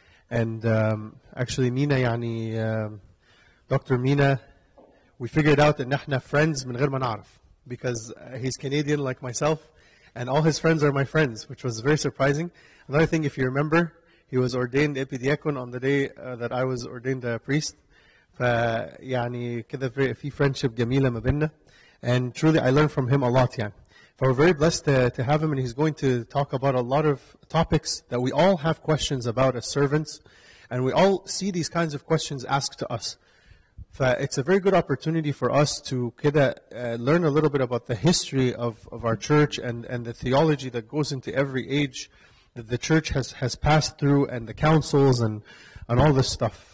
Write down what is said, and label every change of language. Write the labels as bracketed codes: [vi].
[en] And actually, Mina, Dr. Mina, we figured out that [ar] نحن [en] friends [ar] من غير ما نعرف, [en] because he's Canadian like myself. And all his friends are my friends, which was very surprising. Another thing, if you remember, he was ordained epidiacon on the day that I was ordained a priest. [ar] فيعني كده في friendship جميلة ما بيننا. [en] And truly, I learned from him a lot. So we're very blessed to have him, and he's going to talk about a lot of topics that we all have questions about as servants. And we all see these kinds of questions asked to us. It's a very good opportunity for us to learn a little bit about the history of our church and the theology that goes into every age that the church has passed through and the councils and all this stuff.